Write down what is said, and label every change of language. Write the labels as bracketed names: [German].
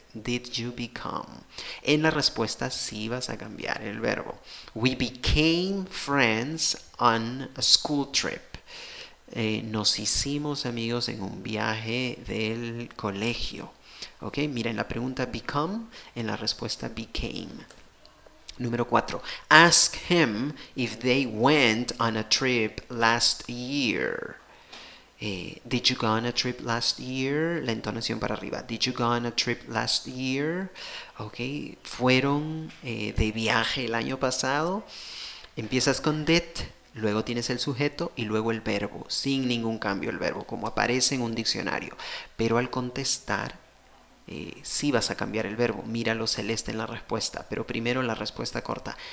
[English] Did you become? [Spanish] En la respuesta sí vas a cambiar el verbo. [English] We became friends on a school trip. [Spanish] Nos hicimos amigos en un viaje del colegio. Ok, mira, en la pregunta become, en la respuesta became. Número 4. [English] Ask him if they went on a trip last year. Did you go on a trip last year? [Spanish] La entonación para arriba. [English] Did you go on a trip last year? [Spanish] Ok. ¿Fueron de viaje el año pasado? Empiezas con did, luego tienes el sujeto y luego el verbo, sin ningún cambio el verbo, como aparece en un diccionario. Pero al contestar, sí vas a cambiar el verbo. Mira lo celeste en la respuesta. Pero primero la respuesta corta.